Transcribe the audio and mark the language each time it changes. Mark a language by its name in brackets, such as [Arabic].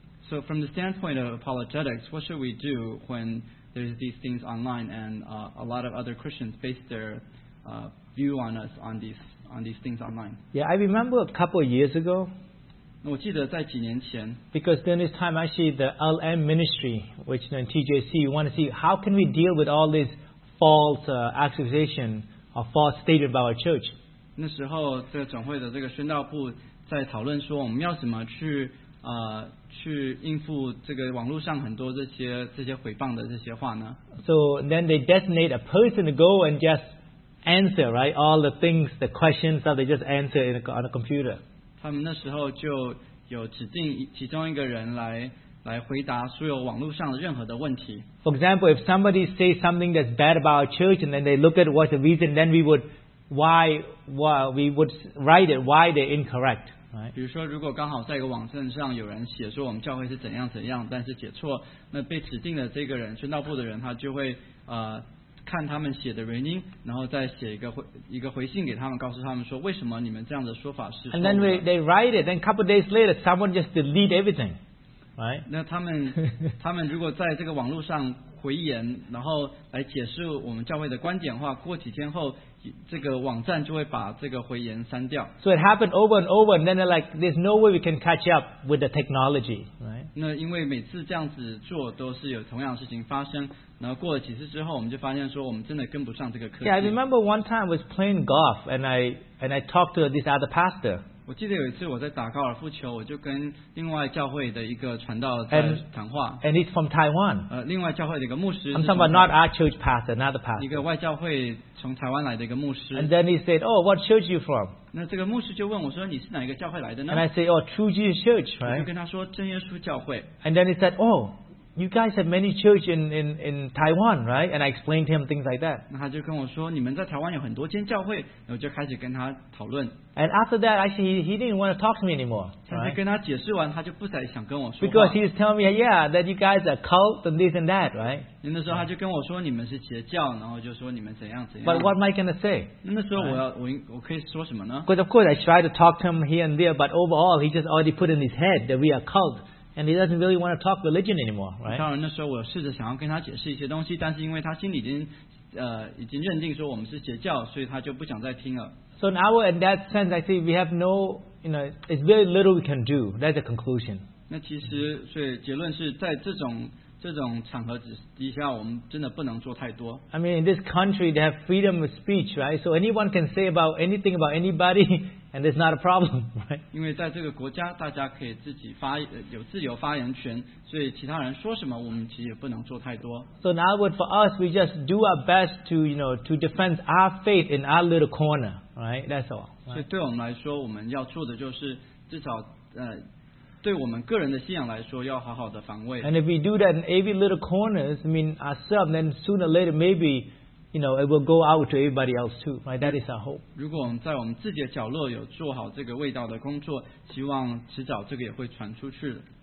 [English] So, from the standpoint of apologetics, what should we do when there's these things online and a lot of other Christians base their view on us on these things online? Yeah, I remember a couple of years ago. [Chinese] 我记得在几年前, [English] because during this time, actually, the LM ministry, which in TJC, we want to see how can we deal with all these false accusations or false statements about our church. [Chinese] 那时候这个总会的这个宣道部在讨论说我们要怎么去去应付这个网络上很多这些诽谤的这些话呢? [English] So then they designate a person to go and just answer, right? All the things, the questions that they just answer on a computer. [Chinese] 他们那时候就有指定其中一个人来回答所有网络上的任何的问题。 [English] For example, if somebody says something that's bad about our church and then they look at what's the reason, then we would write it, why they're incorrect. Right. [Chinese] 比如说，如果刚好在一个网站上有人写说我们教会是怎样怎样，但是写错，那被指定的这个人，宣道部的人，他就会看他们写的原因，然后再写一个回信给他们，告诉他们说为什么你们这样的说法是错的。 [English] And then they write it, then a couple of days later, someone just delete everything. Right. [Chinese] 那他们如果在这个网络上回言，然后来解释我们教会的观点的话，过几天后。这个网站就会把这个回言删掉。 [English] So it happened over and over, and then they're like, there's no way we can catch up with the technology, right? [Chinese] 那因为每次这样子做都是有同样的事情发生，然后过了几次之后，我们就发现说我们真的跟不上这个科技。 [English] Yeah, I remember one time I was playing golf, and I talked to this other pastor. [Chinese] 我记得有一次我在打高尔夫球，我就跟另外教会的一个传道在谈话。 [English] And he's from Taiwan. [Chinese] 另外教会的一个牧师。 [English] I'm talking about not our church pastor, another pastor. [Chinese] 一个外教会。从台湾来的一个牧师。 [English] And then he said, "Oh, what church are you from?" [Chinese] 那这个牧师就问我说，你是哪一个教会来的呢 [English] ？And I say, "Oh, True Jesus Church." [Chinese] 我就跟他说，真耶稣教会。 [English] And then he said, "Oh, you guys have many churches in Taiwan, right?" And I explained to him things like that. [Chinese] 那他就跟我说，你们在台湾有很多间教会，然后就开始跟他讨论。 [English] And after that, actually, he didn't want to talk to me anymore. [Chinese] 但是跟他解释完，他就不再想跟我说。 [English] Because he's telling me, "Yeah, that you guys are cult and this and that, right?" [Chinese] 那时候他就跟我说你们是邪教，然后就说你们怎样怎样。 [English] But what am I going to say? [Chinese] 那时候我可以说什么呢 [English] ？Because of course I tried to talk to him here and there, but overall he just already put in his head that we are cult and he doesn't really want to talk religion anymore, right? [Chinese] 当然那时候我试着想要跟他解释一些东西，但是因为他心里已经认定说我们是邪教，所以他就不想再听了。 [English] So now in that sense, I think we have no, it's very little we can do. That's the conclusion. [Chinese] 那其实所以结论是在这种场合底下，我们真的不能做太多。 [English] I mean, in this country, they have freedom of speech, right? So anyone can say about anything about anybody, and it's not a problem, right? [Chinese] 因为在这个国家，大家可以自己发有自由发言权，所以其他人说什么，我们其实也不能做太多。 [English] So in other words, for us, we just do our best to, to defend our faith in our little corner, right? That's all. Right? [Chinese] 所以对我们来说，我们要做的就是至少对我们个人的信仰来说，要好好的防卫。 [English] And if we do that in every little corners, ourselves, then sooner or later, maybe, it will go out to everybody else too. Right? That is our hope. [Chinese] 如果我们在我们自己的角落有做好这个卫道的工作，希望迟早这个也会传出去的。